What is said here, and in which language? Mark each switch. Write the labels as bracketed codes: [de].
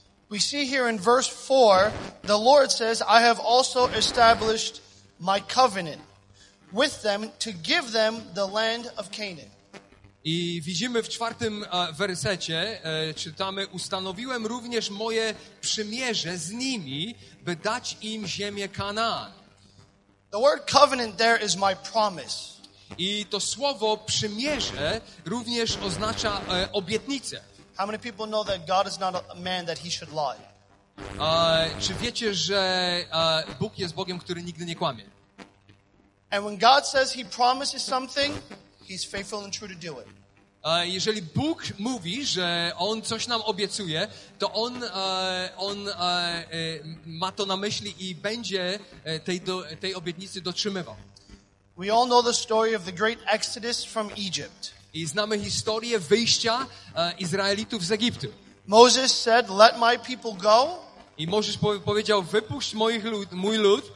[en] We see here in verse 4, the Lord says, I have also established my covenant with them to give them the land of Canaan. [pl] I widzimy w czwartym wersecie, czytamy, ustanowiłem również moje przymierze z nimi, by dać im ziemię Kanaan. [en] The word covenant there is my promise. [pl] I to słowo przymierze również oznacza obietnicę. [en] How many people know that God is not a man that he should lie? [pl] Czy wiecie, że Bóg jest Bogiem, który nigdy nie kłamie? [en] And when God says he promises something, he's faithful and true to do it. [pl] Jeżeli Bóg mówi, że on coś nam obiecuje, to on ma to na myśli i będzie tej obietnicy dotrzymywał. [en] We all know the story of the great Exodus from Egypt. [pl] I znamy historię wyjścia Izraelitów z Egiptu. [en] Moses said, "Let my people go." [pl] I Mojżesz powiedział, wypuść mój lud.